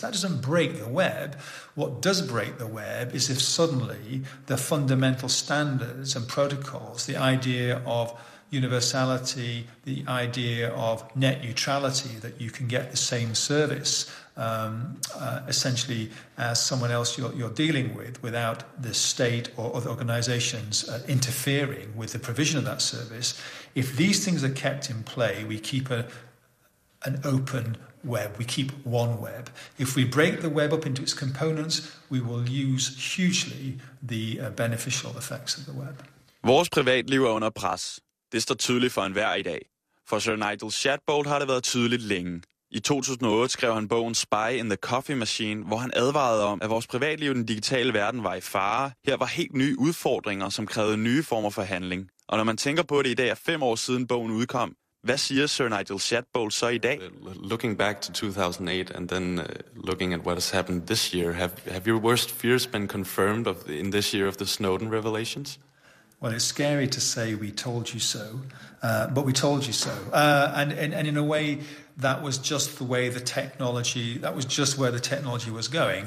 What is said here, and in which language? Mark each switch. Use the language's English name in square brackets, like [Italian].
[English] That doesn't break the web. What does break the web is if suddenly the fundamental standards and protocols, the idea of universality, the idea of net neutrality, that you can get the same service essentially as someone else you're dealing with without the state or other organizations interfering with the provision of that service. If these things are kept in play, we keep an open web, we keep one web. If we break the web up into its components, we will lose hugely the beneficial effects of the web. [Danish] Vores privatliv er under pres. Det står tydeligt for enhver i dag. For Sir Nigel Shadbolt har det været tydeligt længe. I 2008 skrev han bogen Spy in the Coffee Machine, hvor han advarede om, at vores privatliv i den digitale verden var i fare. Her var helt nye udfordringer, som krævede nye former for handling. Og når man tænker på det i dag, er 5 år siden bogen udkom. Hvad siger Sir Nigel Shadbolt så i dag? [English] Looking back to 2008 and then looking at what has happened this year, have your worst fears been confirmed in this year of the Snowden revelations? Well, it's scary to say we told you so, but we told you so. And in a way, that was just the way the technology, that was just where the technology was going.